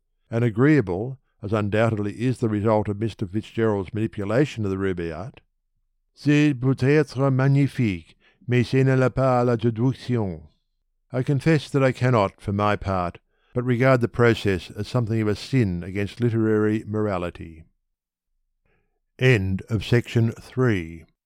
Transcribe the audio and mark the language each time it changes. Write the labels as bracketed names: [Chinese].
[English] An agreeable, as undoubtedly is the result of Mr. Fitzgerald's manipulation of the Rubaiyat, [French] c'est peut-être magnifique, mais ce n'est pas la traduction. [English] I confess that I cannot, for my part, but regard the process as something of a sin against literary morality. End of section 3.